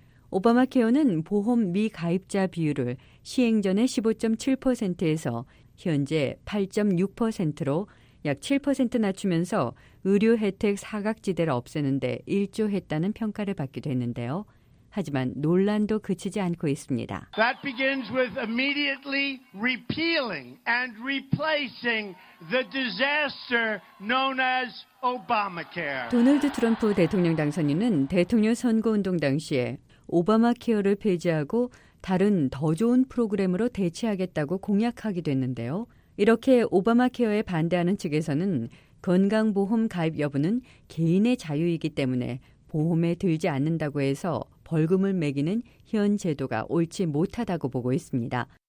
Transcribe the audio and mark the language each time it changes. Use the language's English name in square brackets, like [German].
[Korean] 오바마케어는 보험 미가입자 비율을 시행 전에 15.7%에서 현재 8.6%로 약 7% 낮추면서 의료 혜택 사각지대를 없애는데 일조했다는 평가를 받기도 했는데요. 하지만 논란도 그치지 않고 있습니다. [English] That begins with immediately repealing and replacing the disaster known as Obamacare. [Korean] 도널드 트럼프 대통령 당선인은 대통령 선거 운동 당시에 오바마 케어를 폐지하고 다른 더 좋은 프로그램으로 대체하겠다고 공약하게 됐는데요. 이렇게 오바마 케어에 반대하는 측에서는 건강보험 가입 여부는 개인의 자유이기 때문에 보험에 들지 않는다고 해서 벌금을 매기는 현 제도가 옳지 못하다고 보고 있습니다.